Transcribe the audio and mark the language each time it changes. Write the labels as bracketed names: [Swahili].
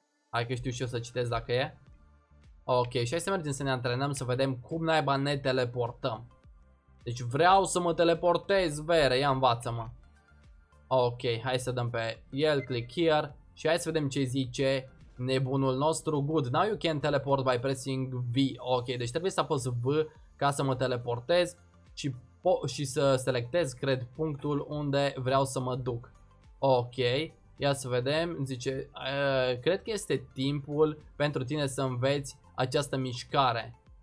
[Romanian] Hai că știu și eu să citesc dacă e. Ok, și hai să mergem să ne antrenăm să vedem cum naiba ne teleportăm. Deci vreau să mă teleportez, vere, ia învață-mă. Ok, hai să dăm pe el, [English] click here [Romanian] și hai să vedem ce zice nebunul nostru. [English] Good, now you can teleport by pressing V. [Romanian] Ok, deci trebuie să apăs V ca să mă teleportez și, și să selectez, cred, punctul unde vreau să mă duc. Ok, ia să vedem, zice, cred că este timpul pentru tine să înveți această mișcare.